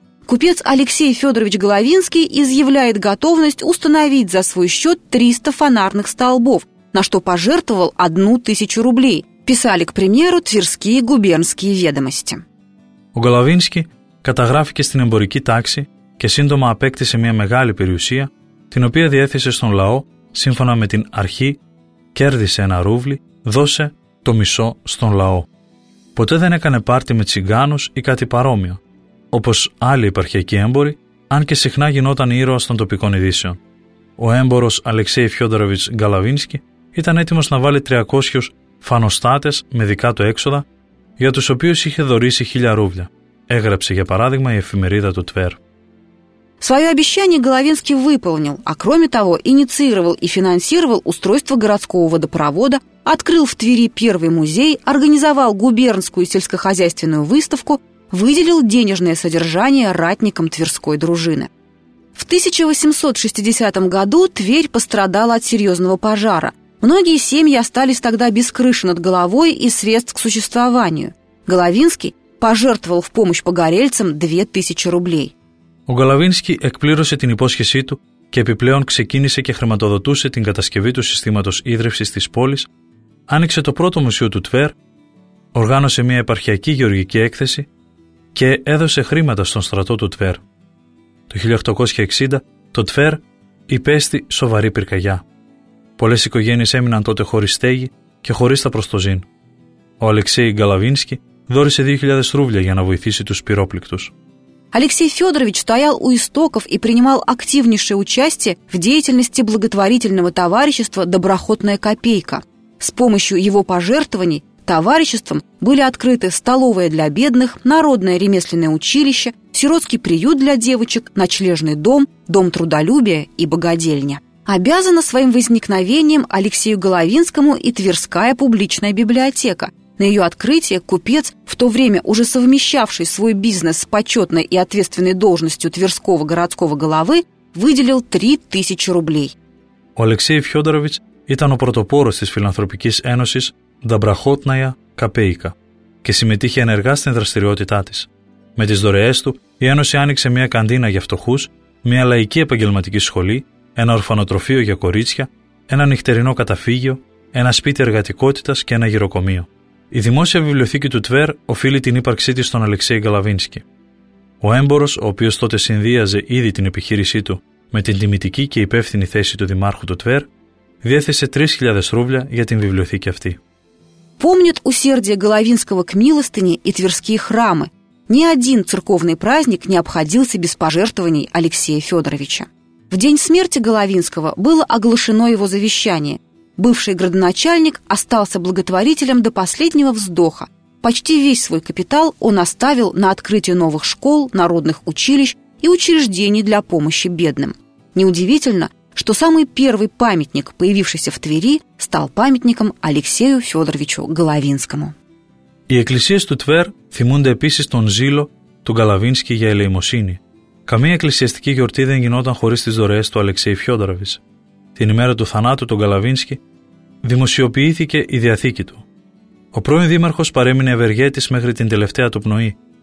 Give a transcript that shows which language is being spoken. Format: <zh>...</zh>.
<ru>Купец Алексей Федорович Головинский изъявляет готовность установить за свой счет 300 фонарных столбов, на что пожертвовал 1000 рублей, писали, к примеру, тверские губернские ведомости.</ru> <el>У Головинский καταγράφηκε στην εμπορική τάξη και σύντομα απέκτησε μια μεγάλη περιουσία, την οποία διέθεσε στον λαό σύμφωνα με την αρχή «κέρδισε ένα ρούβλι, δώσε το μισό στον λαό». Ποτέ δεν έκανε πάρτι με τσιγκάνους ή κάτι παρόμοιο, όπως άλλοι επαρχιακοί έμποροι, αν και συχνά γινόταν ήρωας των τοπικών ειδήσεων. Ο έμπορος Αλεξέη Φιόντοροβιτς Γκαλαβίνσκι ήταν έτοιμος να βάλει 300 φανοστάτες με δικά του έξοδα, για τους οποίους είχε δωρήσει 1000 ρούβλια. Έγραψε, για παράδειγμα, η εφημερίδα του Τβέρ.</el> <ru>Свое обещание Головинский выполнил, а кроме того, инициировал и финансировал устройство городского водопровода, открыл в Твери первый музей, организовал губернскую сельскохозяйственную выставку, выделил денежное содержание ратникам Тверской дружины. В 1860 году Тверь пострадала от серьезного пожара. Многие семьи остались тогда без крыши над головой и средств к существованию. Головинский пожертвовал в помощь погорельцам 2000 рублей.</ru> <el>Ο Γκαλαβίνσκι εκπλήρωσε την υπόσχεσή του και επιπλέον ξεκίνησε και χρηματοδοτούσε την κατασκευή του συστήματος ίδρυυσης της πόλης, άνοιξε το πρώτο μουσείο του Τβέρ, οργάνωσε μια επαρχιακή γεωργική έκθεση και έδωσε χρήματα στον στρατό του Τβέρ. Το 1860 το Τβέρ υπέστη σοβαρή πυρκαγιά. Πολλές οικογένειες έμειναν τότε χωρίς στέγη και χωρίς τα προστοζήν. Ο Αλεξέη Γκαλαβίνσκι δώρησε 2000 ρούβλια για να βοηθήσει τους πυρόπληκτους.</el> <ru>Алексей Федорович стоял у истоков и принимал активнейшее участие в деятельности благотворительного товарищества «Доброхотная копейка». С помощью его пожертвований товариществом были открыты столовая для бедных, народное ремесленное училище, сиротский приют для девочек, ночлежный дом, дом трудолюбия и богадельня. Обязана своим возникновением Алексею Головинскому и Тверская публичная библиотека. На ее открытие купец, в то время уже совмещавший свой бизнес с почетной и ответственной должностью Тверского городского головы, выделил 3000 рублей.</ru> <el>Ο Алексей Федорович ήταν ο πρωτοπόρος της φιλανθρωπικής ένωσης «Доброхотная копейка» και συμμετείχε ενεργά στην δραστηριότητά της. Με τις δωρεές του, η ένωση άνοιξε μια καντίνα για φτωχούς, μια λαϊκή επαγγελματική σχολή, ένα ορφανοτροφείο για κορίτσια, ένα νυχτερινό καταφύγιο, ένα σπίτι εργατικότητας και ένα γυροκομείο. Η δημόσια βιβλιοθήκη του Τβέρ οφείλει την ύπαρξή της στον Αλεξέη Γκαλαβίνσκι. Ο έμπορος, ο οποίος τότε συνδύαζε ήδη την επιχείρησή του με την τιμητική και υπεύθυνη θέση του δημάρχου του Τβέρ, διέθεσε 3.000 ρούβλια για την βιβλιοθήκη αυτή.</el> <ru>Помнят усердие Головинского к милостыне и тверские храмы. Ни один церковный праздник не обходился без пожертвований Алексея Федоровича. В день смерти Головинского было оглашено его завещание. Бывший градоначальник остался благотворителем до последнего вздоха. Почти весь свой капитал он оставил на открытие новых школ, народных училищ и учреждений для помощи бедным. Неудивительно, что самый первый памятник, появившийся в Твери, стал памятником Алексею Федоровичу Головинскому.</ru> <el>Οι εκκλησίες του Τβέρ θυμούνται επίσης τον ζήλο του Γκαλαβίνσκι για ελεημοσύνη. Καμία εκκλησιαστική γιορτή δεν γινόταν χωρίς τις δωρεές του Αλεξέη Φιόντοροβιτς. Την ημέρα του θανάτου του Γκαλαβίνσκι δημοσιοποιήθηκε η διαθήκη του. Ο πρώην δήμαρχος παρέμεινε ευεργέτης μέχρι την τελευταία του πνοή.</el>